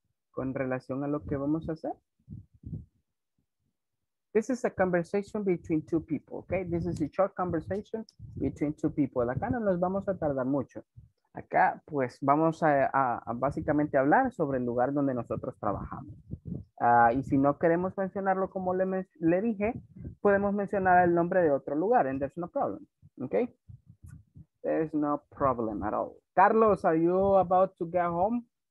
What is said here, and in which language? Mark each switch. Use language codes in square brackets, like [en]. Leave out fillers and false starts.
[es] con relación a lo que vamos a hacer. [en] This is a conversation between two people, okay? This is a short conversation between two people. [es] Acá no nos vamos a tardar mucho. Acá, pues, vamos a básicamente hablar sobre el lugar donde nosotros trabajamos. Y si no queremos mencionarlo como le dije, podemos mencionar el nombre de otro lugar, and there's no problem, okay? [en] There's no problem at all. Carlos, are you about to get home?